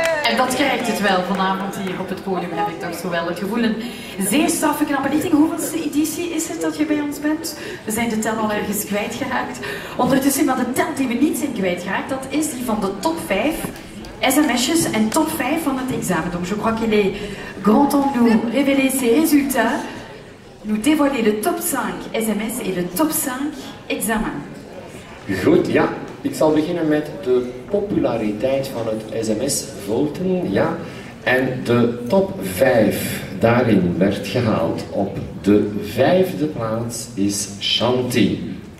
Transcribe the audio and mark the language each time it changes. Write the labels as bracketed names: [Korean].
[Dutch] En dat krijgt het wel vanavond hier op het podium, heb ik toch zo wel het gevoel. Een zeer straffe knappe lichting. Hoeveelste editie is het dat je bij ons bent? We zijn de tel al ergens kwijtgeraakt. Ondertussen, maar de tel die we niet zijn kwijtgeraakt, dat is die van de top 5 sms'jes en top 5 van het examen. [French] Donc je crois qu'il est grand temps de nous révéler ses résultats. Nous dévoiler le top 5 sms et le top 5 examen. [Dutch] Goed, ja. Ik zal beginnen met de populariteit van het sms-voten, ja. En de top 5 daarin werd gehaald op de 5e plaats is Shanti.